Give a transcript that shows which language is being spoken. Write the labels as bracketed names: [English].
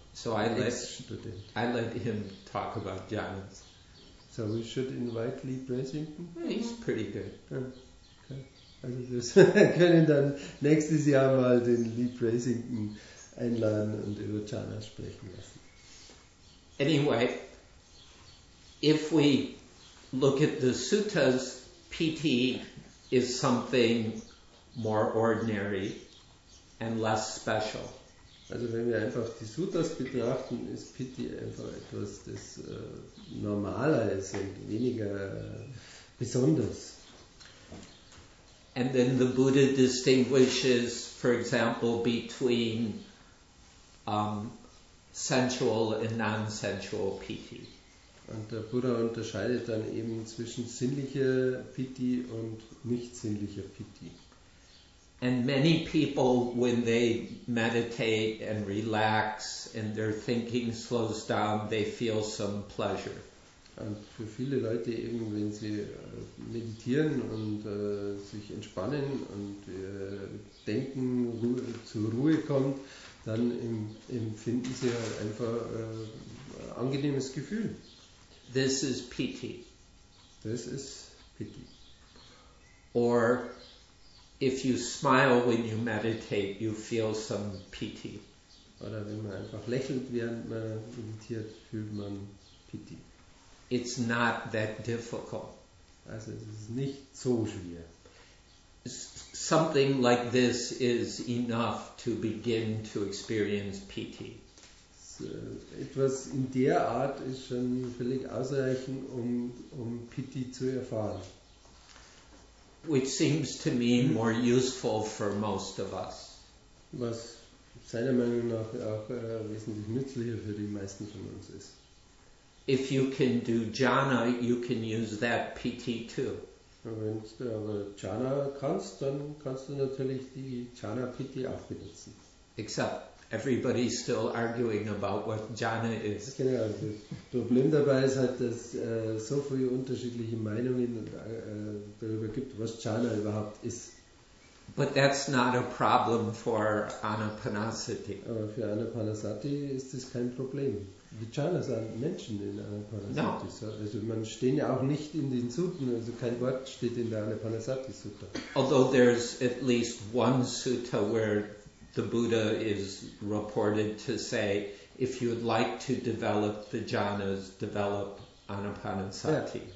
[English] So I let him talk about Jhana. So we should invite Lee Brasington? He's pretty good. Okay. [German] Also wir können dann nächstes Jahr mal den Lee Brasington einladen und über Jhana sprechen lassen. [English] Anyway, if we look at the suttas, piti is something more ordinary and less special. [German] Also wenn wir einfach die Suttas betrachten, ist piti einfach etwas, das normaler ist und weniger besonders. [English] And then the Buddha distinguishes, for example, between sensual and non-sensual piti. [German] Und der Buddha unterscheidet dann eben zwischen sinnlicher piti und nicht sinnlicher piti. [English] And many people, when they meditate and relax and their thinking slows down, they feel some pleasure. [German] Und für viele Leute eben, wenn sie meditieren und sich entspannen und denken, zur Ruhe kommt, dann empfinden sie halt einfach ein angenehmes Gefühl. [English] This is piti. [German] Das ist piti. [English] Or if you smile when you meditate, you feel some PT. [German] Oder wenn man einfach lächelt, während man meditiert, fühlt man PT. [English] It's not that difficult. [German] Also es ist nicht so schwer. [English] Something like this is enough to begin to experience PT. [German] Etwas in der Art ist schon völlig ausreichend, um PT zu erfahren. [English] Which seems to me more useful for most of us. [German] Was seiner Meinung nach auch wesentlich nützlicher für die meisten von uns ist. [English] If you can do jhana, you can use that PT too. [German] Wenn du aber jhana kannst, dann kannst du natürlich die jhana PT auch benutzen. [English] Except everybody's still arguing about what jhana is. [German] Genau, das Problem dabei ist halt, dass so viele unterschiedliche Meinungen darüber gibt, was jhana überhaupt ist. [English] But that's not a problem for Anapanasati. [German] Aber für Anapanasati ist das kein Problem. Die Jhana sind Menschen in Anapanasati. [English] No. [German] Also man steht ja auch nicht in den Sutten, also kein Wort steht in der Anapanasati Sutta. [English] Although there's at least one sutta where the Buddha is reported to say, if you would like to develop the jhanas, develop Anapanasati.